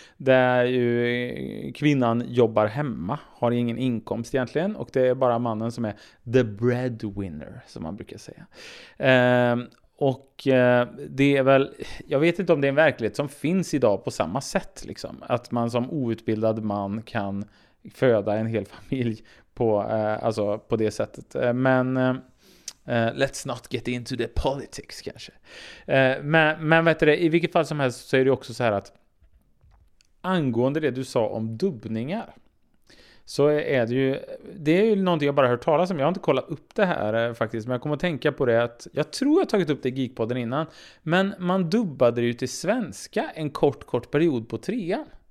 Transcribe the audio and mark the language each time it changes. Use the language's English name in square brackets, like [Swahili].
[Swedish] Där ju kvinnan jobbar hemma, har ingen inkomst egentligen, och det är bara mannen som är [English] the breadwinner, [Swedish] som man brukar säga. Och det är väl, jag vet inte om det är en verklighet som finns idag på samma sätt liksom. Att man som outbildad man kan föda en hel familj på, alltså på det sättet. Men [English] let's not get into the politics [Swedish] kanske. Men vet du det, i vilket fall som helst så är det också så här att angående det du sa om dubbningar. Så är det ju, det är ju någonting jag bara hört talas om. Jag har inte kollat upp det här faktiskt. Men jag kommer att tänka på det att jag tror jag tagit upp det i Geekpodden innan. Men man dubbade ju till svenska en kort, kort period på trean.